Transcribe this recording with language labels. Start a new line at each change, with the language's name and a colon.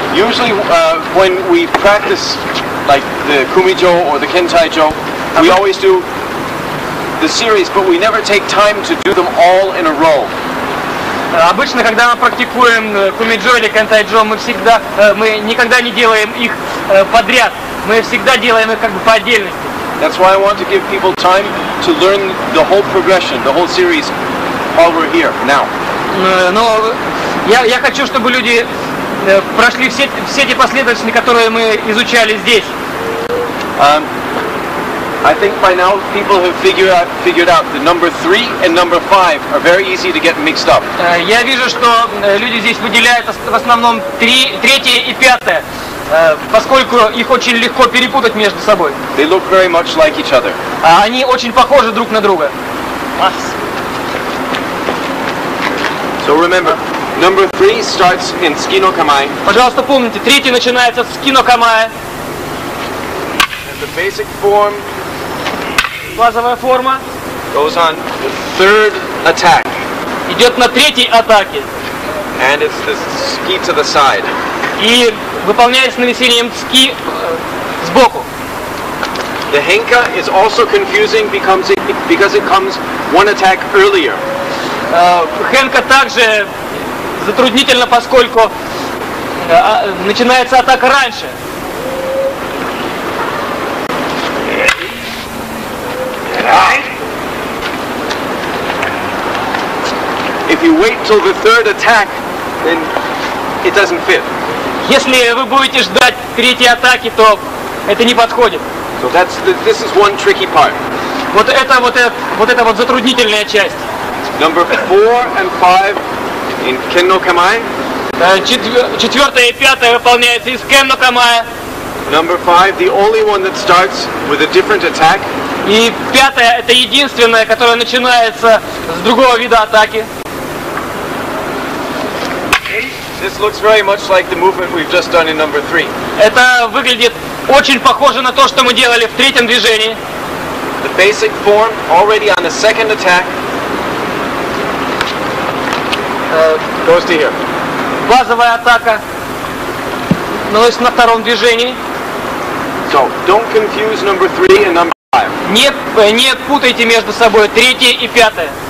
English: When we practice, like the Kumijo or the Kentaijo, we always do the series, but we never take time to do them all in a row.
Russian: Обычно, когда мы практикуем Кумиджо или Кентаджо, мы никогда не делаем их подряд. Мы всегда делаем их как бы по отдельности.
English: That's why I want to give people time to learn the whole progression, the whole series, while we're here now.
Russian: Но я хочу, чтобы люди прошли все те последовательности, которые мы изучали здесь.
English: I think by now people have figured out the number 3 and number 5 are very easy to get mixed up.
Russian: Я вижу, что люди здесь выделяют в основном 3-е и 5-е, поскольку их очень легко перепутать между собой.
English: They look very much like each other.
Russian: Они очень похожи друг на друга.
English: So remember, number 3 starts in ski no kamae.
Russian: Пожалуйста, помните, третий начинается с ски но камае.
English: The basic form.
Russian: Базовая форма.
English: Goes on the third attack.
Russian: Идет на третьей атаке.
English: And it's the ski to the side.
Russian: И выполняет с нанесением ски сбоку.
English: The Henka is also confusing because it comes one attack earlier.
Russian: Henka также затруднительно, поскольку начинается атака раньше.
English: If you wait till the third attack, then it doesn't fit.
Russian: Если вы будете ждать третьей атаки, то это не подходит.
English: So that's the, this is one tricky part.
Russian: Вот это вот эта затруднительная часть.
English: Number four and five in Kenno Kamae.
Russian: Четвертая и пятая выполняется из Kenno Kamae.
English: Number five, the only one that starts with a different attack.
Russian: И пятая это единственная, которая начинается с другого вида атаки.
English: This looks very much like the movement we've just done in number three.
Russian: Это выглядит очень похоже на то, что мы делали в третьем движении.
English: The basic form already on the second attack goes to here.
Russian: Базовая атака наносится на втором движении.
English: So don't confuse number three and number five.
Russian: Не путайте между собой третье и пятое.